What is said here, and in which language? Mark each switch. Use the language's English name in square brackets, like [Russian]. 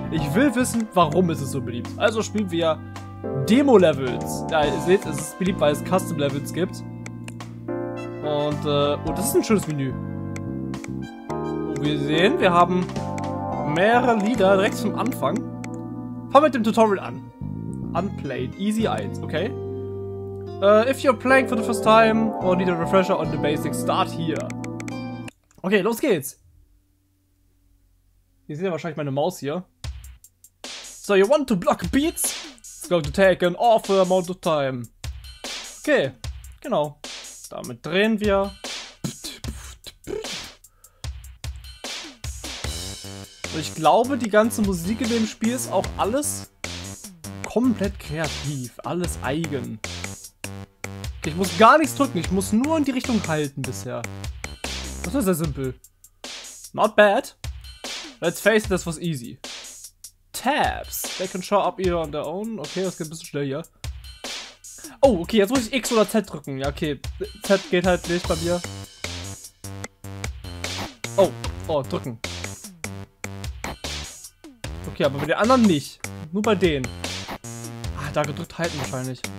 [German] Ich will wissen, warum ist es so beliebt. Also spielen wir Demo-Levels. Ja, ihr seht, es ist beliebt, weil es Custom-Levels gibt. Und, oh, das ist ein schönes Menü. Wir sehen, wir haben mehrere Lieder direkt zum Anfang. Fangen wir mit dem Tutorial an. [English] Unplayed, easy 1, okay? If you're playing for the first time or need a refresher on the basics, start here. [German] Okay, los geht's. Ihr seht ja wahrscheinlich meine Maus hier. [English] So, you want to block beats? It's going to take an awful amount of time. [German] Okay, genau. Damit drehen wir. Ich glaube, die ganze Musik in dem Spiel ist auch alles komplett kreativ. Alles eigen. Ich muss gar nichts drücken. Ich muss nur in die Richtung halten bisher. Das ist sehr simpel. [English] Not bad. Let's face it, this was easy. Tabs. They can show up here on their own. [German] Okay, das geht ein bisschen schnell hier. Oh, okay, jetzt muss ich X oder Z drücken. Ja, okay. Z geht halt nicht bei mir. Oh, drücken. Okay, aber bei den anderen nicht. Nur bei denen. Ah, da gedrückt halten wahrscheinlich.